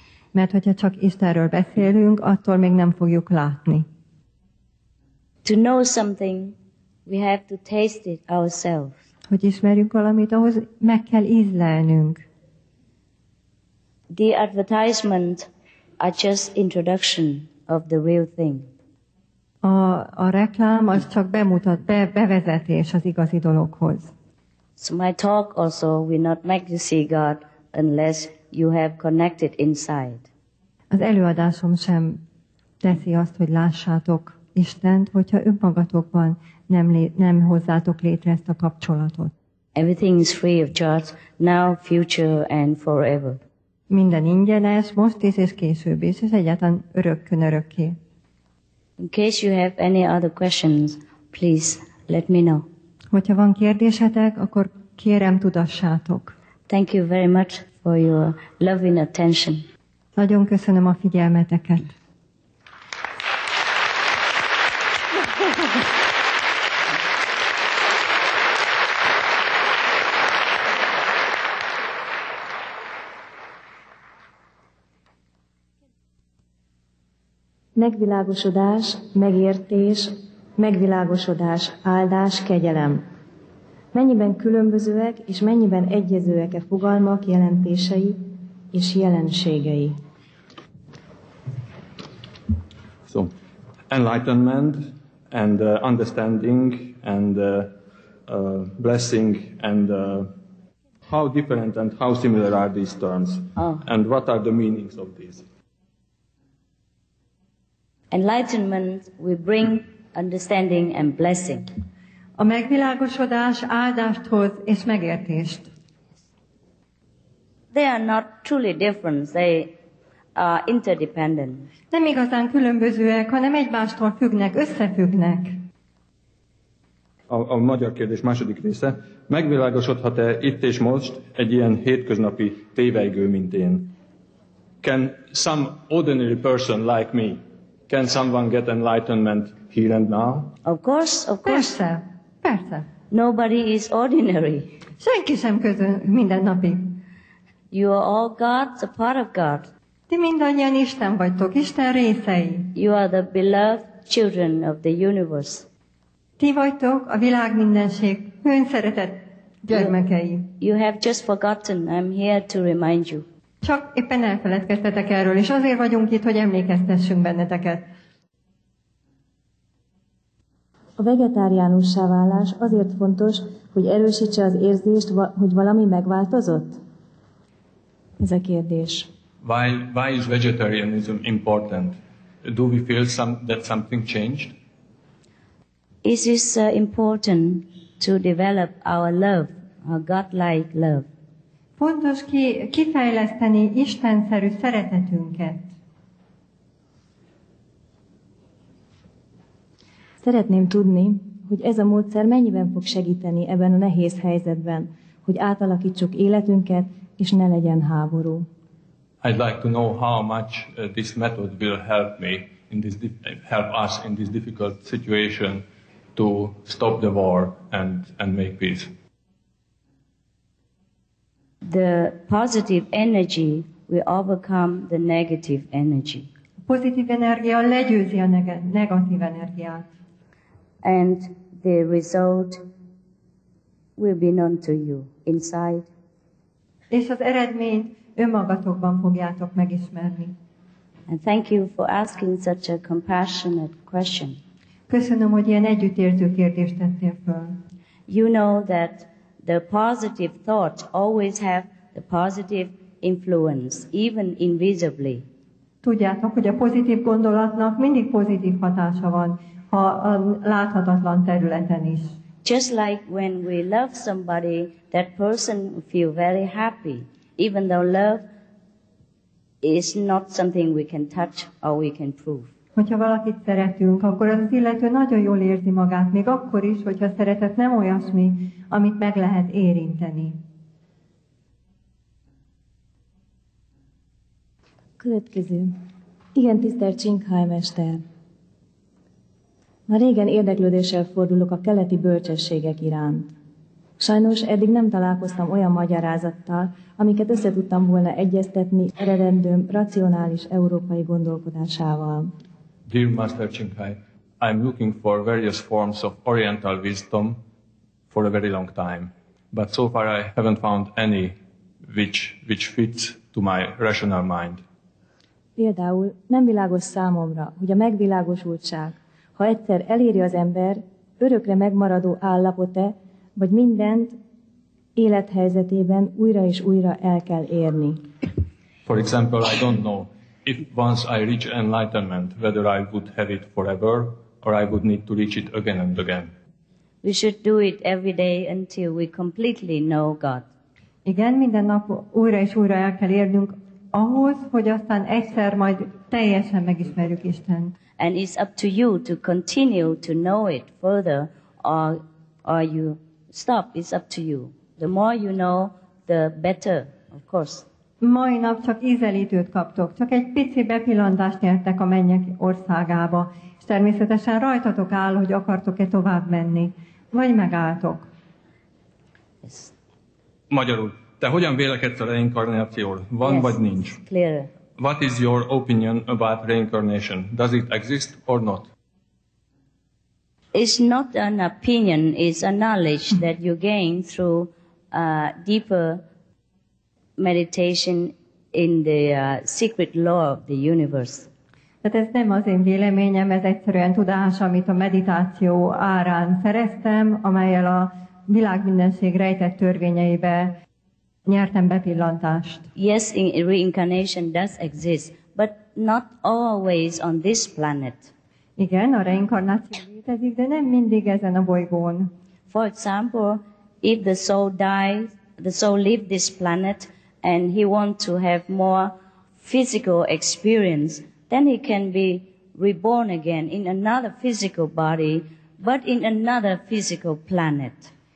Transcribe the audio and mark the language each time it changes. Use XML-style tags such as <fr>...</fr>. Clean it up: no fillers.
<hu>Mert hogyha csak Istenről beszélünk, attól még nem fogjuk látni.</hu> <en>To know something, we have to taste it ourselves.</en> <hu>hogy ismerjünk valamit, ahhoz meg kell ízlelnünk.</hu> <en>The advertisement are just introduction of the real thing.</en> <hu>A reklám az csak bemutat, bevezetés az igazi dologhoz.</hu> <en>So my talk also will not make you see God unless you have connected inside.</en> <hu>Az előadásom sem teszi azt, hogy lássátok Istent, hogyha önmagatokban nem hozzátok létre ezt a kapcsolatot.</hu> <en>Everything is free of charge, now, future and forever.</en> <hu>Minden ingyenes, most is és később is, és egyáltalán örökkön örökké.</hu> <en>In case you have any other questions, please let me know.</en> <hu>Hogyha van kérdésetek, akkor kérem tudassátok.</hu> <en>Thank you very much for your loving attention.</en> <hu>Nagyon köszönöm a figyelmeteket. Megvilágosodás, megértés, megvilágosodás, áldás, kegyelem. Mennyiben különbözőek és mennyiben egyezőek-e fogalmak, jelentései és jelenségei?</hu> <en>So, enlightenment and understanding and blessing and how different and how similar are these terms? Oh. And what are the meanings of these? Enlightenment will bring understanding and blessing.</en> <hu>A megvilágosodás áldást hoz és megértést.</hu> <en>They are not truly different, they are interdependent.</en> <hu>Nem igazán különbözőek, hanem egymástól függnek, összefüggnek. A magyar kérdés második része. Megvilágosodhat-e itt és most egy ilyen hétköznapi tévejgő, mint én?</hu> <en>Can some ordinary person like me, can someone get enlightenment here and now? Of course, of course.</en> <hu>Persze, persze.</hu> <en>Nobody is ordinary.</en> <hu>Senki sem közön mindennapi.</hu> <en>You are all gods, a part of God.</en> <hu>Ti mindannyian Isten vagytok, Isten részei.</hu> <en>You are the beloved children of the universe.</en> <hu>Ti vagytok a világ mindenség önszeretett gyermekei.</hu> <en>You have just forgotten. I'm here to remind you.</en> <hu>Csak éppen elfeledkeztetek erről, és azért vagyunk itt, hogy emlékeztessünk benneteket. A vegetáriánussá válás azért fontos, hogy erősítse az érzést, hogy valami megváltozott? Ez a kérdés.</hu> <en>Why is vegetarianism important? Do we feel that something changed? Is it important to develop our love, our God-like love?</en> <hu>Fontos kifejleszteni Istenszerű szeretetünket. Szeretném tudni, hogy ez a módszer mennyiben fog segíteni ebben a nehéz helyzetben, hogy átalakítsuk életünket, és ne legyen háború.</hu> <en>I'd like to know how much this method will help me in this help us in this difficult situation to stop the war and make peace. The positive energy will overcome the negative energy.</en> <hu>A pozitív energia legyőzi a negatív energiát.</hu> <en>And the result will be known to you inside.</en> <hu>És az eredményt önmagatokban fogjátok megismerni.</hu> <en>And thank you for asking such a compassionate question.</en> <hu>Köszönöm, hogy ilyen együttérző kérdést tettél föl.</hu> <en>You know that the positive thoughts always have the positive influence, even invisibly.</en> <hu>Tudjátok, hogy a pozitív gondolatnak mindig pozitív hatása van, ha a láthatatlan területen is.</hu> <en>Just like when we love somebody, that person will feel very happy, even though love is not something we can touch or we can prove.</en> <hu>Hogyha valakit szeretünk, akkor az illető nagyon jól érzi magát, még akkor is, hogyha szeretet nem olyasmi, amit meg lehet érinteni. Következő. Igen, tisztelt Csinghaj mester. Már régen érdeklődéssel fordulok a keleti bölcsességek iránt. Sajnos eddig nem találkoztam olyan magyarázattal, amiket össze tudtam volna egyeztetni eredendőm racionális európai gondolkodásával.</hu> <en>Dear Master Csinghaj, I am looking for various forms of oriental wisdom for a very long time, but so far I haven't found any which fits to my rational mind.</en> <hu>Például nem világos számomra, hogy a megvilágosultság, ha egyszer eléri az ember, örökre megmaradó állapot-e, vagy mindent élethelyzetében újra és újra el kell érni.</hu> <en>For example, I don't know if once I reach enlightenment, whether I would have it forever, or I would need to reach it again and again. We should do it every day until we completely know God.</en> <hu>Igen, minden nap újra és újra el kell érnünk ahhoz, hogy aztán egyszer majd teljesen megismerjük Istent.</hu> <en>And it's up to you to continue to know it further, or you stop. It's up to you. The more you know, the better, of course.</en> <hu>Mai nap csak ízelítőt kaptok, csak egy pici bepillantást nyertek a mennyek országába, és természetesen rajtatok áll, hogy akartok-e tovább menni, vagy megálltok.</hu> <en>Yes.</en> <hu>Magyarul, te hogyan vélekedsz a reinkarnációról? Van</hu> <en>yes,</en> <hu>vagy nincs?</hu> <en>Clear. What is your opinion about reincarnation? Does it exist or not? It's not an opinion, it's a knowledge that you gain through deeper meditation in the secret law of the universe.</en> <hu>Tehát ez nem az én véleményem, ez egyszerűen tudás, amit a meditáció árán szereztem, amellyel a világ mindenség rejtett törvényeibe nyertem bepillantást.</hu> <en>Yes, reincarnation does exist, but not always on this planet.</en> <hu>Igen, a reinkarnáció létezik, de nem mindig ezen a bolygón.</hu> <en>For example, if the soul dies, the soul leaves this planet and he wants to have more physical experience, then he can be reborn again in another physical body, but in another physical planet.</en>